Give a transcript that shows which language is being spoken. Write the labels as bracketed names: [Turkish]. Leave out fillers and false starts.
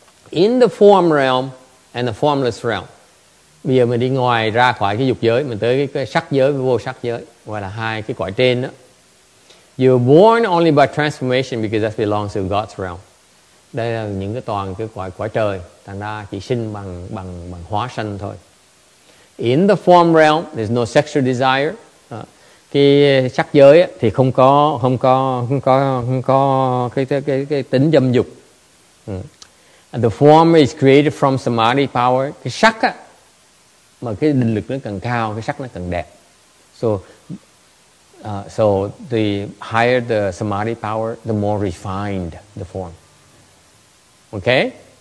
[English] In the form realm and the formless realm. [Vietnamese] Bây giờ mình đi ngoài ra khỏi cái dục giới, mình tới cái sắc giới với vô sắc giới, gọi là hai cái cõi trên đó. [English] You're born only by transformation because that belongs to God's realm. [Vietnamese] Đây là những cái toàn cái cõi cõi trời, thành ra chỉ sinh bằng hóa sanh thôi. [English] In the form realm, there's no sexual desire. [Vietnamese] Cái sắc giới ấy, thì không có cái tính dâm dục. [English] The form is created from samadhi power. [Vietnamese] Cái sắc á, mà cái định lực nó càng cao, cái sắc nó càng đẹp. [English] So the higher the samadhi power, the more refined the form. Okay?